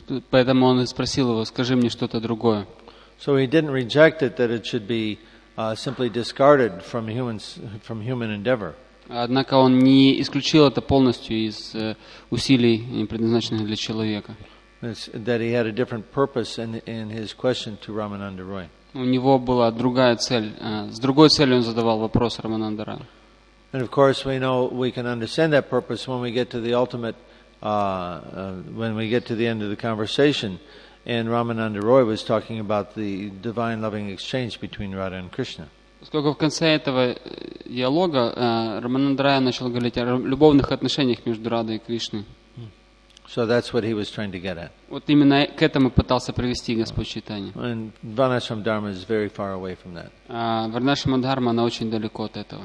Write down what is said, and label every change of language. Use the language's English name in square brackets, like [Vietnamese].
[Russian] Поэтому он спросил его: скажи мне что-то другое. [English] So he didn't reject it that it should be simply discarded from human endeavor. [Russian] Однако он не исключил это полностью из усилий, не предназначенных для человека. [English] That he had a different purpose in his question to Ramananda Roy. [Russian] У него была другая цель, с другой целью он задавал вопрос Рамананда Роя. [English] And of course we know we can understand that purpose when we get to the ultimate when we get to the end of the conversation, and Ramananda Roy was talking about the divine loving exchange between Radha and Krishna. [Russian] Поскольку в конце этого диалога Рамананда Рай начал говорить о любовных отношениях между Радой и Кришной. [English] So that's what he was trying to get at. [Russian] Вот именно к этому пытался привести Господь Чайтанья. [English] And Varnashram Dharma is very far away from that. [Russian] Варнашрама Дхарма, она очень далеко от этого.